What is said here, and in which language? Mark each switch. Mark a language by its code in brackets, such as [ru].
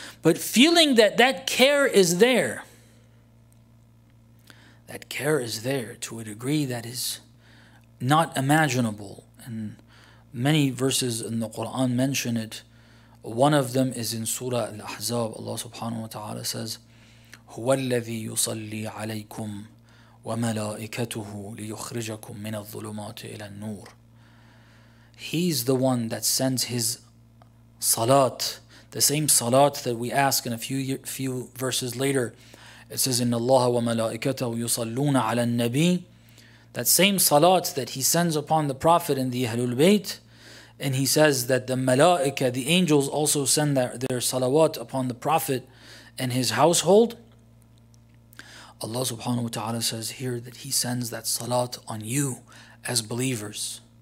[en] But feeling that that care is there, that care is there to a degree that is not imaginable. And many verses in the Quran mention it. One of them is in Surah Al-Ahzab. [ar] Allah subhanahu wa ta'ala says, هُوَ الَّذِي يُصَلِّي عَلَيْكُمْ وَمَلَائِكَتُهُ لِيُخْرِجَكُمْ مِنَ الظُّلُمَاتِ إِلَى النُّورِ. [en] He's the one that sends His salat, the same salat that we ask in a few verses later. It says, [ar] إِنَّ اللَّهَ وَمَلَائِكَتَهُ يُصَلُّونَ عَلَى النَّبِيِّ. [en] That same salat that He sends upon the Prophet in the Ahlul Bayt, and He says that the Malaika, the angels, also send their salawat upon the Prophet and his household. Allah subhanahu wa ta'ala says here that He sends that salat on you as believers.